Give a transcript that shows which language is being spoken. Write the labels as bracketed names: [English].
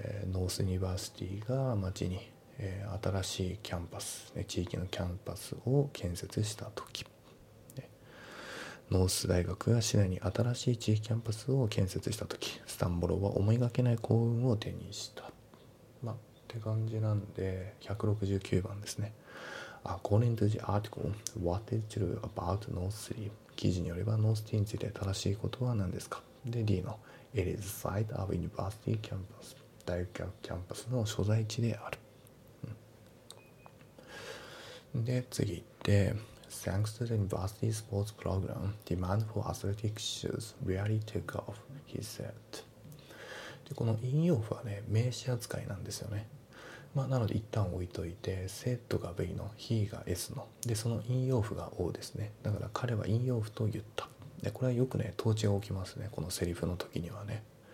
[Japanese] ノースユニバーシティが町に、新しいキャンパス、地域のキャンパスを建設した時。ノース大学が市内に新しい地域キャンパスを建設したとき、スタンボローは思いがけない幸運を手にした。まあ、って感じなんで、169番ですね。 [English] According to the article, what is true about North City? [Japanese] 記事によれば、ノースティーについて正しいことは何ですか？で、D の、 [English] It is the site of university campus. [Japanese] 大学キャンパスの所在地である。うん、で、次行って、 [English] Thanks to the university sports program, demand for athletic shoes really took off, he said. [Japanese] で、この引用符はね、名詞扱いなんですよね。まあ、なので一旦置いといて、set が V の、he が S の。で、その引用符が O ですね。だから彼は引用符と言った。で、これはよくね、統治が起きますね。このセリフの時にはね。